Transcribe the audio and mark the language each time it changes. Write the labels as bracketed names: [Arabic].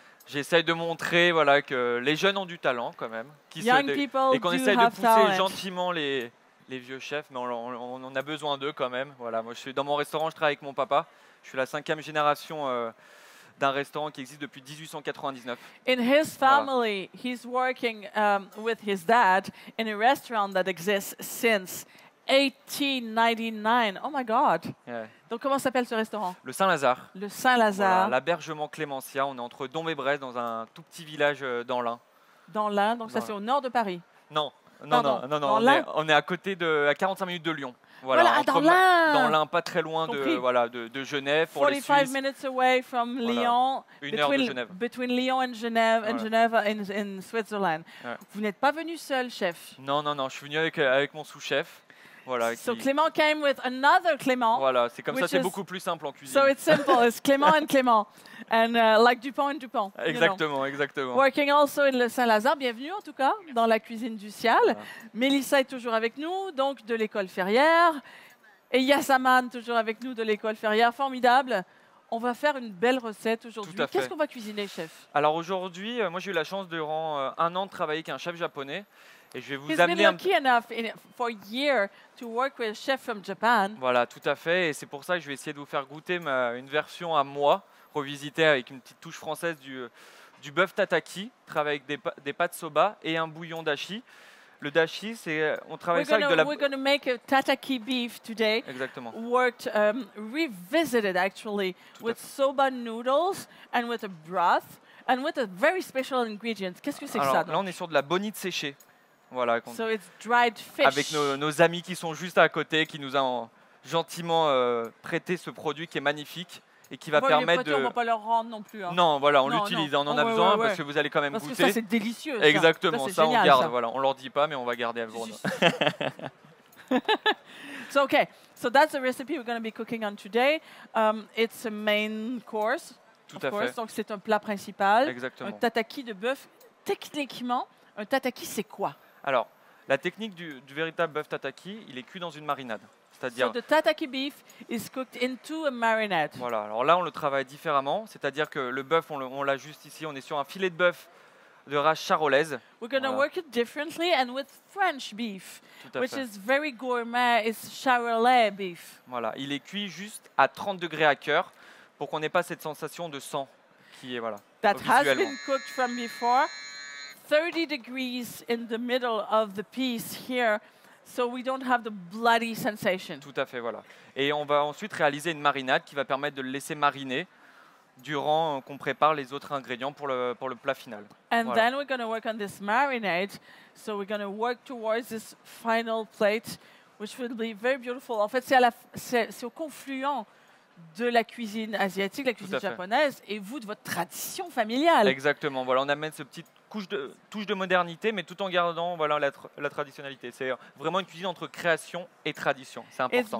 [French] J'essaie de montrer voilà, que les jeunes ont du talent quand même. Et qu'on essaie de pousser gentiment les vieux chefs, mais on a besoin d'eux quand même. Voilà, moi, dans mon restaurant, je travaille avec mon papa. Je suis la cinquième génération d'un restaurant qui existe depuis 1899. [English] In his family, voilà. He's working with his dad in a restaurant that exists since 1899. Oh my God. Yeah. [French] Donc comment s'appelle ce restaurant? Le Saint-Lazare. Le Saint-Lazare. Voilà, l'Abergement Clémentia. On est entre Dombes et Bresse, dans un tout petit village dans l'Ain. Dans l'Ain, donc dans ça c'est au nord de Paris. Non, non, pardon. Non, non, non. On est à côté de, à 45 minutes de Lyon. Voilà, voilà entre, dans l'Ain. Dans l'Ain, pas très loin de, voilà, de Genève. Pour 45 les Suisses. [English] Minutes away from Lyon. [French] Voilà. Une heure de Genève. [English] Between Lyon and Genève, and Geneva in Switzerland. [French] Ouais. Vous n'êtes pas venu seul, chef? Non, non, non. Je suis venu avec mon sous-chef. [English] Voilà, so Clément came with another Clément. [French] Voilà, c'est comme ça, c'est beaucoup plus simple en cuisine. [English] So it's simple, it's Clément and Clément. And like Dupont and Dupont. [French] Exactement, [English] you know. [French] Exactement. [English] Working also in [French] Le Saint-Lazare, bienvenue en tout cas dans la cuisine du Sial. Voilà. Mélissa est toujours avec nous, donc de l'école Ferrière. Et Yasaman, toujours avec nous de l'école Ferrière, formidable. On va faire une belle recette aujourd'hui. Qu'est-ce qu'on va cuisiner, chef? Alors aujourd'hui, moi j'ai eu la chance durant un an de travailler avec un chef japonais. Et je vais vous voilà, tout à fait. Et c'est pour ça que je vais essayer de vous faire goûter une version à moi, revisitée avec une petite touche française du bœuf tataki, travaillé avec des pâtes soba et un bouillon dashi. Le dashi, c'est on travaille [English] we're [French] ça [English] gonna, [French] avec de la. [English] We're going to make a tataki beef today. [French] Exactement. [English] Worked, revisited actually tout with soba noodles and with a broth and with a very special ingredient. [French] Qu'est-ce que c'est que ça? Alors là, on est sur de la bonite séchée. Voilà, [English] so it's dried fish. [French] Avec nos amis qui sont juste à côté, qui nous ont gentiment prêté ce produit qui est magnifique et qui va permettre de. On ne va pas leur rendre non plus. Hein. Non, voilà, on l'utilise, on en a besoin parce que vous allez quand même parce goûter. Que ça, c'est délicieux. Exactement, ça, génial, on garde. Ça. Voilà, on ne leur dit pas, mais on va garder à vous. [English] So, okay, so that's the recipe we're going to be cooking on today. It's a main course. [French] Tout à fait. Donc, c'est un plat principal. Exactement. Un tataki de bœuf. Techniquement, un tataki, c'est quoi? Alors, la technique du véritable bœuf tataki, il est cuit dans une marinade. C'est-à-dire. [English] So the tataki beef is cooked into a marinade. [French] Voilà, alors là, on le travaille différemment. C'est-à-dire que le bœuf, on l'a juste ici, on est sur un filet de bœuf de race charolaise. [English] We're going to work it differently and with French beef, which [French] fait. [English] Is very gourmet, it's charolais beef. [French] Voilà, il est cuit juste à 30 degrés à cœur pour qu'on n'ait pas cette sensation de sang qui est, voilà. [English] That has been cooked from before. 30 degrees in the middle of the piece here, so we don't have the bloody sensation. [French] Tout à fait, voilà. Et on va ensuite réaliser une marinade qui va permettre de le laisser mariner durant qu'on prépare les autres ingrédients pour le plat final. [English] And then we're going to work on this marinade, so we're going to work towards this final plate, which will be very beautiful. [French] En fait, c'est au confluent de la cuisine asiatique, la cuisine japonaise, et vous, de votre tradition familiale. Exactement, voilà, on amène ce petit touche de modernité, mais tout en gardant voilà, la traditionnalité. C'est vraiment une cuisine entre création et tradition. C'est important.